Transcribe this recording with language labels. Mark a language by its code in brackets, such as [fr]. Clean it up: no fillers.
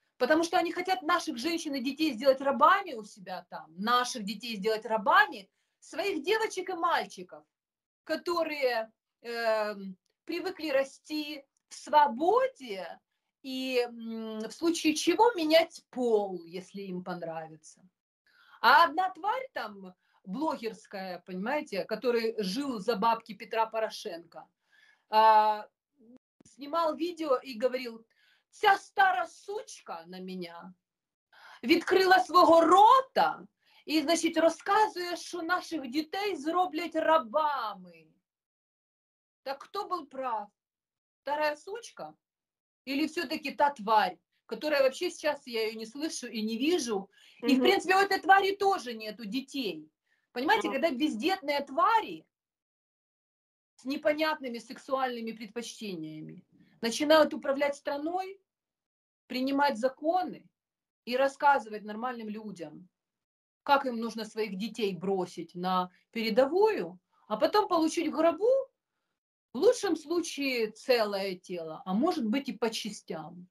[ru] Потому что они хотят наших женщин и детей сделать рабами у себя там, наших детей сделать рабами, своих девочек и мальчиков, которые привыкли расти в свободе и в случае чего менять пол, если им понравится. А одна тварь там, блогерская, понимаете, который жил за бабки Петра Порошенко, снимал видео и говорил... [uk] Ця стара сучка на мене відкрила свого рота і, значить, розказує, що наших дітей зроблять рабами. Так хто був прав? Стара сучка? [ru] Или все-таки та тварь, которая вообще сейчас я ее не слышу и не вижу? И, в принципе, у этой твари тоже нету детей. Понимаете, когда бездетные твари с непонятными сексуальными предпочтениями начинают управлять страной, принимать законы и рассказывать нормальным людям, как им нужно своих детей бросить на передовую, а потом получить в гробу, в лучшем случае, целое тело, а может быть и по частям.